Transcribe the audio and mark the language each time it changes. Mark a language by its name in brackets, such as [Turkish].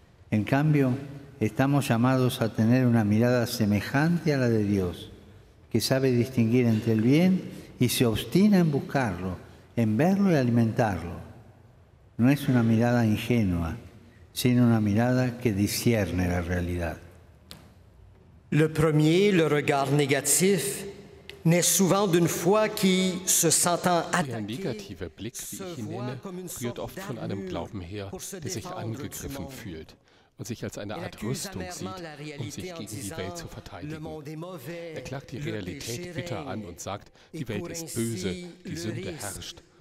[Spanish] En cambio, estamos llamados a tener una mirada semejante a la de Dios, que sabe distinguir entre el bien y se obstina en buscarlo, en verlo y alimentarlo. No es una mirada ingenua, sino una mirada que discierne la realidad. [French] Le premier, le regard négatif, naît souvent d'une foi qui se sentant attaquée. [German] Der negative Blick, wie ich ihn nenne, rührt oft von einem Glauben her, der sich angegriffen fühlt und sich als eine Art Rüstung sieht, um sich gegen die Welt zu verteidigen. Er klagt die Realität bitter an und sagt, die Welt ist böse, die Sünde herrscht.